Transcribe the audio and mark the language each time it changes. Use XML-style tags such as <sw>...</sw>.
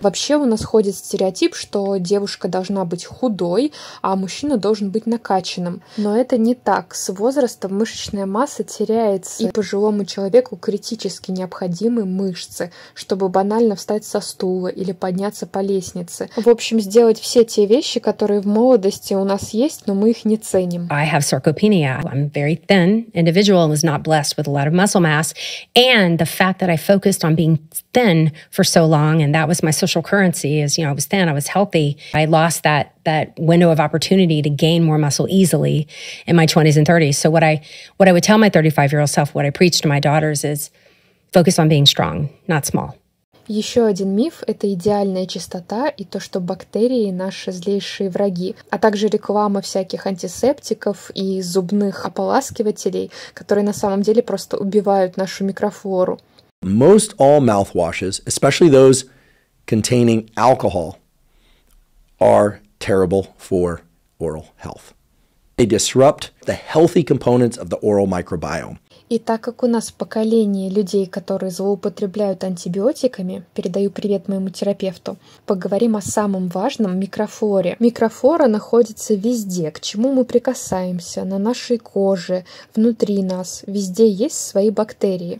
<ru>Вообще у нас ходит стереотип, что девушка должна быть худой, а мужчина должен быть накачанным. Но это не так. С возрастом мышечная масса теряется, и пожилому человеку критически необходимы мышцы, чтобы банально встать со стула или подняться по лестнице. В общем, сделать все те вещи, которые в молодости у нас есть, но мы их не ценим.</ru> <en>I have sarcopenia. I'm very thin individual and was not blessed with a lot of muscle mass. And the fact that I focused on being thin for so long, and that was my social currency, is, you know, I was thin, I was healthy. I lost that window of opportunity to gain more muscle easily in my 20s and 30s. So what I would tell my 35-year-old self, what I preach to my daughters is focus on being strong, not small.</en> <ru>Еще один миф – это идеальная чистота и то, что бактерии – наши злейшие враги, а также реклама всяких антисептиков и зубных ополаскивателей, которые на самом деле просто убивают нашу микрофлору.</ru> <en>Most all mouthwashes, especially those containing alcohol, are terrible for oral health. They disrupt the healthy components of the oral microbiome.</en> <ru>И так как у нас поколение людей, которые злоупотребляют антибиотиками, передаю привет моему терапевту, поговорим о самом важном — микрофлоре. Микрофлора находится везде, к чему мы прикасаемся, на нашей коже, внутри нас, везде есть свои бактерии.</ru>